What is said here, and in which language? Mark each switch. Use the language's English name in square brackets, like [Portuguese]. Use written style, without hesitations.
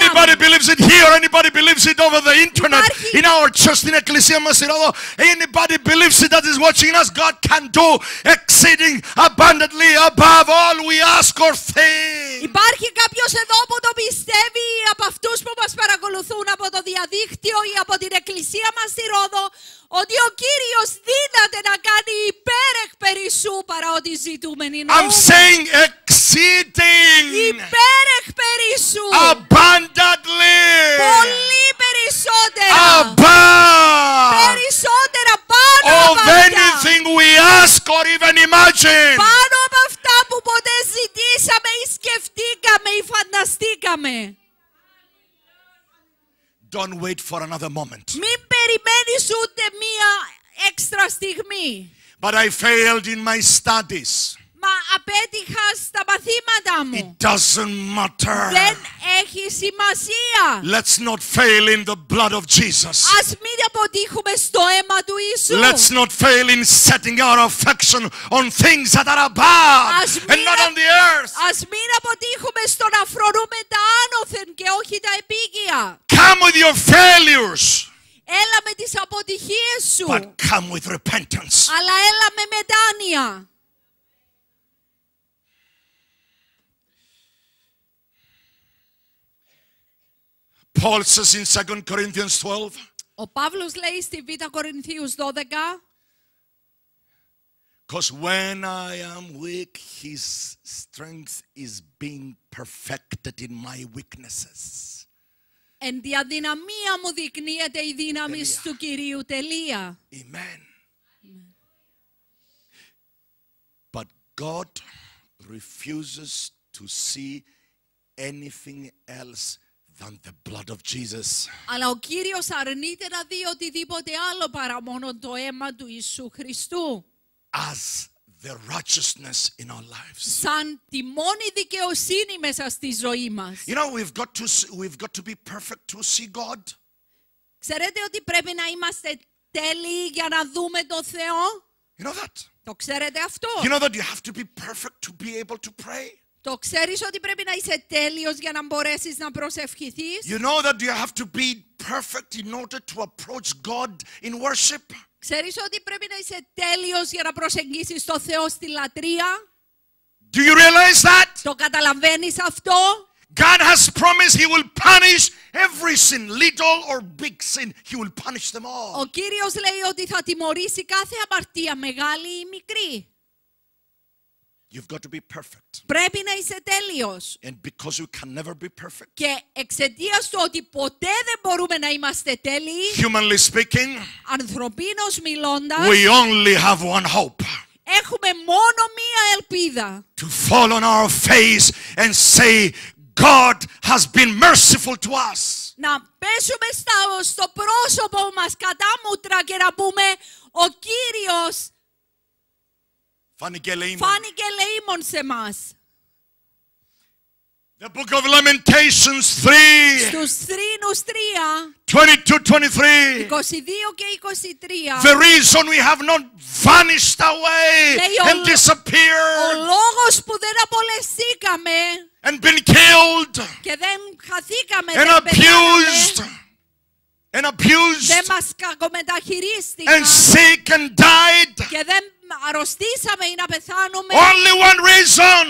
[English] Anybody believes it here, anybody believes it over the internet, in our church, [Greek] στην εκκλησία μας, [English] anybody believes it that is watching us, God can do exceeding abundantly above all we ask or think. [Greek] Υπάρχει κάποιος εδώ που το πιστεύει, από αυτούς που μας παρακολουθούν από το διαδίκτυο ή από την εκκλησία μας στη Ρόδο, ότι ο Κύριος δύναται να κάνει υπέρ εκ περισσού παρά ό,τι ζητούμε. [English] I'm saying exceeding. [Greek] Υπέρ εκ περισσού. [English] Abundantly. [Greek] Πολύ περισσότερα. [English] Above. [Greek] Περισσότερα, πάνω [English] of anything we ask or even imagine. [Greek] Πάνω από αυτά που ποτέ ζητήσαμε ή σκεφτήκαμε ή φανταστήκαμε. [English] Don't wait for another moment. [Greek] Μην περιμένεις ούτε μία έξτρα στιγμή. [English] But I failed in my studies. [Greek] Μα απέτυχα στα μαθήματα μου. [English] It doesn't matter. [Greek] Δεν έχει σημασία. [English] Let's not fail in the blood of Jesus. [Greek] Ας μην αποτύχουμε στο αίμα του Ιησού. [English] Let's not fail in setting our affection on things that are above and not on the earth. [Greek] Ας μην αποτύχουμε στο να φρονούμε τα άνωθεν και όχι τα επίγεια. [English] Come with your failures. [Greek] Έλα με τις αποτυχίες σου. [English] But come with repentance. [Greek] Αλλά έλα με μετάνοια. [English] Paul says in 2 Corinthians 12. [Greek] Ο Παύλος λέει στη Β' Κορινθίους 12. [English] Because when I am weak, his strength is being perfected in my weaknesses. [Greek] Εν τη αδυναμία μου δεικνύεται η δύναμη του Κυρίου. Τελεία. [English] Amen. But God refuses to see anything else than the blood of Jesus. [Greek] Αλλά ο Κύριος αρνείται να δει οτιδήποτε άλλο παρά μόνο το αίμα του Ιησού Χριστού. [English] As the righteousness in our lives. [Greek] Σαν τη μόνη δικαιοσύνη μέσα στη ζωή μας. [English] You know, we've got to be perfect to see God. [Greek] Ξέρετε ότι πρέπει να είμαστε τέλειοι για να δούμε τον Θεό. [English] You know that. [Greek] Το ξέρετε αυτό. [English] You know that you have to be perfect to be able to pray. [Greek] Το ξέρεις ότι πρέπει να είσαι τέλειος για να μπορέσεις να προσευχηθείς. [English] You know that you have to be perfect in order to approach God in worship. [Greek] Ξέρεις ότι πρέπει να είσαι τέλειος για να προσεγγίσεις το Θεό στη λατρεία. [English] Do you realize that? [Greek] Το καταλαβαίνεις αυτό? [English] God has promised he will punish every sin, little or big sin, he will punish them all. [Greek] Ο Κύριος λέει ότι θα τιμωρήσει κάθε αμαρτία, μεγάλη ή μικρή. [English] You've got to be perfect. [Greek] Πρέπει να είσαι τέλειος. [English] And because you can never be perfect. [Greek] Και εξαιτίας του ότι ποτέ δεν μπορούμε να είμαστε τέλειοι. [English] Humanly speaking. [Greek] Ανθρωπίνως μιλώντας. [English] We only have one hope. [Greek] Έχουμε μόνο μία ελπίδα. [English] To fall on our face and say, God has been merciful to us. [Greek] Να πέσουμε στο πρόσωπο μας κατά μούτρα και να πούμε, ο Κύριος φάνηκε λεήμον σε μας. [English] The book of Lamentations 3. [Greek] Στους Θρήνους 3. 22 και 23. [English] The reason we have not vanished away and disappeared. [Greek] Ο λόγος που δεν απολεσήκαμε. [English] And been killed. [Greek] Και δεν χαθήκαμε. [English] And abused. And abused. [Greek] Δεν μας κακομεταχειρίστηκαν. [English] And sick and died. [Greek] Και δεν αρρωστήσαμε ή να πεθάνουμε. [English] Only one reason.